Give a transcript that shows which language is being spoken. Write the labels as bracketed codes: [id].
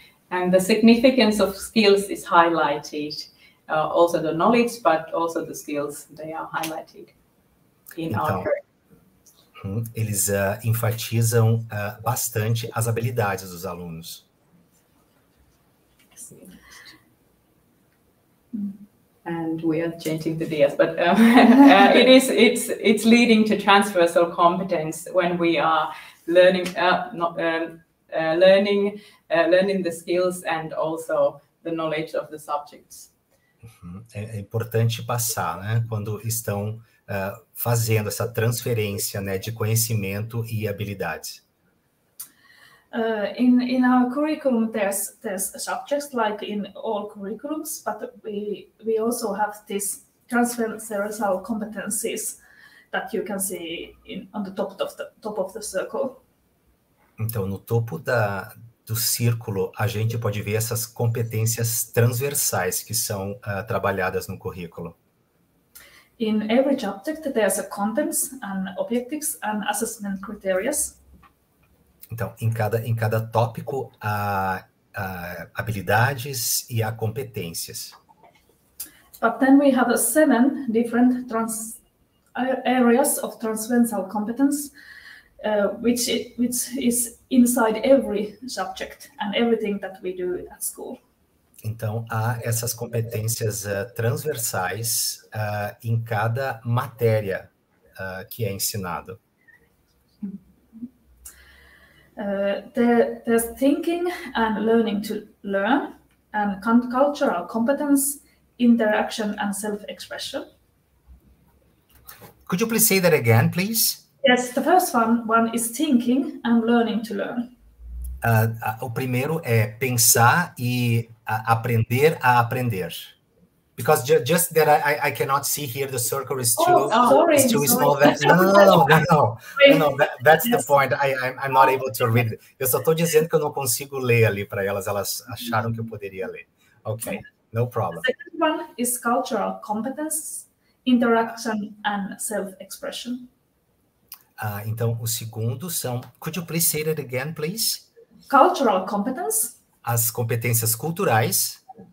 [en] And the significance of skills is highlighted, also the knowledge, but also the skills, they are highlighted. [pt] Então, eles enfatizam bastante as habilidades dos alunos. [en] And we are changing the DS, but it's leading to transversal competence when we are learning the skills and also the knowledge of the subjects. [pt] É importante passar, né, quando estão fazendo essa transferência, né, de conhecimento e habilidades. [en] In our curriculum, there's subjects like in all curriculums, but we also have this transversal competencies that you can see on the top of the circle. [pt] Então, no topo do círculo, a gente pode ver essas competências transversais que são trabalhadas no currículo. [en] In every subject, there's a contents and objectives and assessment criteria. [pt] Então, em cada tópico, há habilidades e há competências. [en] But then we have 7 different areas of transversal competence, which is inside every subject and everything that we do at school. [pt] Então, há essas competências transversais em cada matéria que é ensinado. [en] There's thinking and learning to learn, and cultural competence, interaction and self-expression. Could you please say that again, please? Yes, the first one is thinking and learning to learn. [pt] O primeiro é pensar e aprender a aprender. [en] Because just that I cannot see here, the circle is too, small. No, that's the point. I'm not able to read it. [pt] Eu só estou dizendo que eu não consigo ler ali para elas. Elas acharam que eu poderia ler. [en] Okay, no problem. The second one is cultural competence, interaction and self-expression. [pt] Então, o segundo são... [en] Could you please say it again, please? Cultural competence. [pt] As competências culturais.